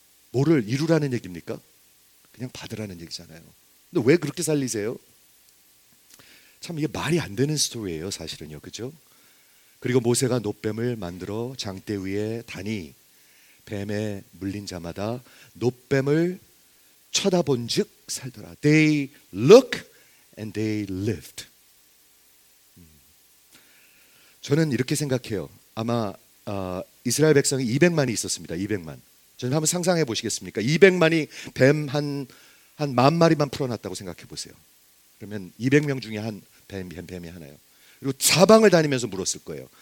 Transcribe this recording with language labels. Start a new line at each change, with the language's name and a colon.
Korean: 뭐를 이루라는 얘기입니까? 그냥 받으라는 얘기잖아요. 근데 왜 그렇게 살리세요? 참 이게 말이 안 되는 스토리예요 사실은요. 그죠? 그리고 모세가 놋뱀을 만들어 장대 위에 다니 뱀에 물린 자마다 놋뱀을 쳐다본 즉 살더라.
English: They look and they lived.
Korean: 저는 이렇게 생각해요. 아마 이스라엘 백성이 200만이 있었습니다. 200만. 저는 한번 상상해 보시겠습니까? 200만이 뱀 한 만 마리만 풀어놨다고 생각해 보세요. 그러면 200명 중에 한 뱀이 하나요. 그리고 사방을 다니면서 물었을 거예요.